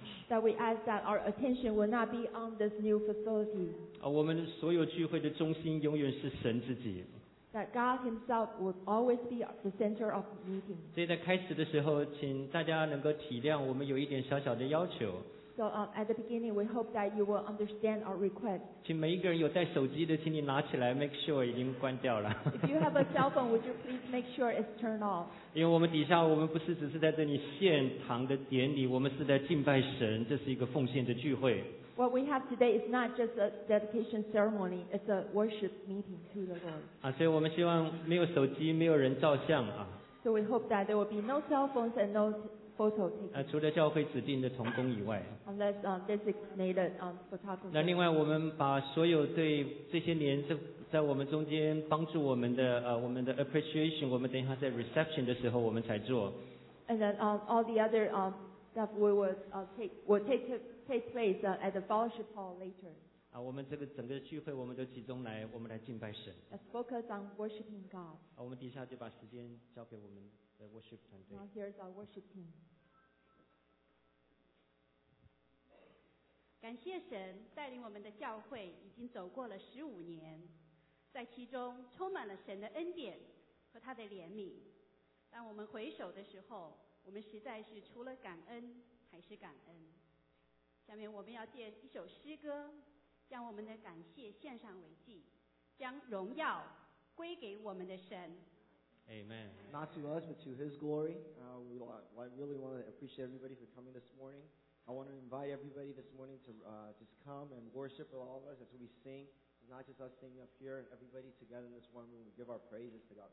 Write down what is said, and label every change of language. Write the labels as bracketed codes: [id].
[en] That we ask that our attention will not be on this new facility. [zh] 我们所有聚会的中心永远是神自己。 [en] That God Himself will always be the center of the meeting. [zh] 所以在开始的时候，请大家能够体谅我们有一点小小的要求。 [en] So at the beginning, we hope that you will understand our request. [zh] 请每一个人有带手机的，请你拿起来 ， [en] make sure [zh] 已经关掉了。 [en] If you have a cell phone, would you please make sure it's turned off? [zh] 因为我们底下，我们不是只是在这里献堂的典礼，我们是在敬拜神，这是一个奉献的聚会。 [en] What we have today is not just a dedication ceremony; it's a worship meeting to the Lord. [zh] 所以我们希望没有手机，没有人照相啊。 [en] So we hope that there will be no cell phones and no. [zh] 除了教会指定的同工以外 [en] Unless, designated, photographer. [zh] 另外我们把所有对这些年在我们中间帮助我们的我们的 appreciation 我们等一下在 reception 的时候我们才做 [en] And then all the other stuff we will take place at the fellowship hall later. [zh] 我们这个整个聚会我们都集中来我们来敬拜神 [en] Let's focus on worshiping God. [zh] 我们底下就把时间交给我们 [en] The worship team. Now here's our worship team. [zh] 感谢神带领我们的教会已经走过了十五年，在其中充满了神的恩典和他的怜悯。当我们回首的时候，我们实在是除了感恩还是感恩。下面我们要借一首诗歌，将我们的感谢献上为祭，将荣耀归给我们的神。 [en] Amen. Not to us, but to His glory. I really want to appreciate everybody for coming this morning. I want to invite everybody this morning to just come and worship with all of us as we sing. It's not just us singing up here, everybody together in this one room. We give our praises to God.